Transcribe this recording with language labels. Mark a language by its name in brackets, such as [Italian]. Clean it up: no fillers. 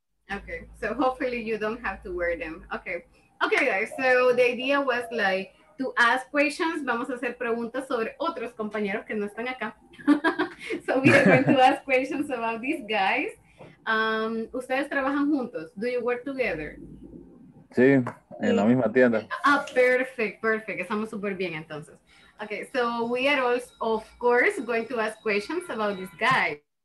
[English] Okay, so hopefully you don't have to wear them. Okay guys, so the idea was like to ask questions. [Spanish] Vamos a hacer preguntas sobre otros compañeros que no están acá. [English] So we are going to ask questions about these guys. [Spanish] ¿Ustedes trabajan juntos? [English] Do you work together? [Spanish] Sí, en la misma tienda. Ah, perfect. Estamos súper bien entonces. [English] Okay, so we are also, of course, going to ask questions about these guys.